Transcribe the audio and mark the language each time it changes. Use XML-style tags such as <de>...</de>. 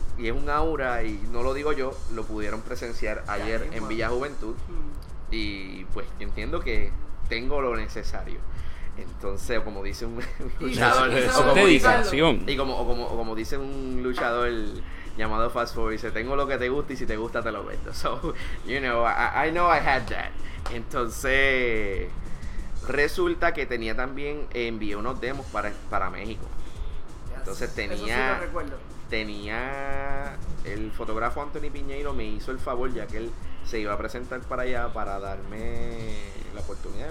<es>Y es un aura, y no lo digo yo, lo pudieron presenciar ayer en Villa Juventud. Y pues entiendo que tengo lo necesario. Entonces, como dice un luchador, como dice un luchador llamado Fast Forward, dice: tengo lo que te gusta y si te gusta te lo vendo.</es> <en>So, you know, I know I had that.</en> <es>Entonces, resulta que tenía también, envié unos demos para México. Entonces tenía. Eso sí lo recuerdo. Tenía el fotógrafo Anthony Piñeiro, me hizo el favor, ya que él se iba a presentar para allá para darme la oportunidad.</es>